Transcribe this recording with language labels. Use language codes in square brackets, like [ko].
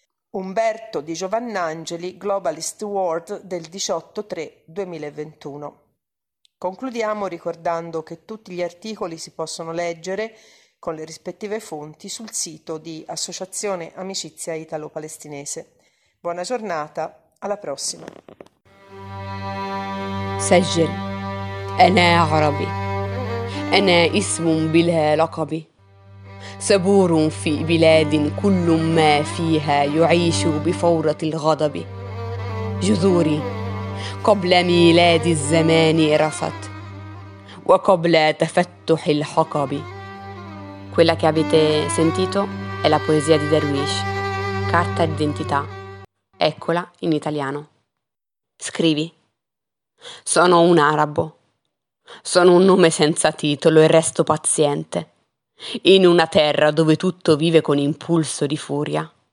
[it] Umberto Di Giovannangeli, Globalist World, del 18/3/2021. Concludiamo ricordando che tutti gli articoli si possono leggere con le rispettive fonti sul sito di Associazione Amicizia Italo-Palestinese. Buona giornata, alla prossima. [ar] سجل انا عربي انا اسم بلا لقب سبور في بلاد كل ما فيها يعيش بفورة الغضب جذوري قبل ميلاد الزمان رفت وقبل تفتح الحقب. [it] Quella che avete sentito è la poesia di Derwish, Carta d'identità. Eccola in italiano. Scrivi: sono un arabo. Sono un nome senza titolo e resto paziente. In una terra dove tutto vive con impulso di furia.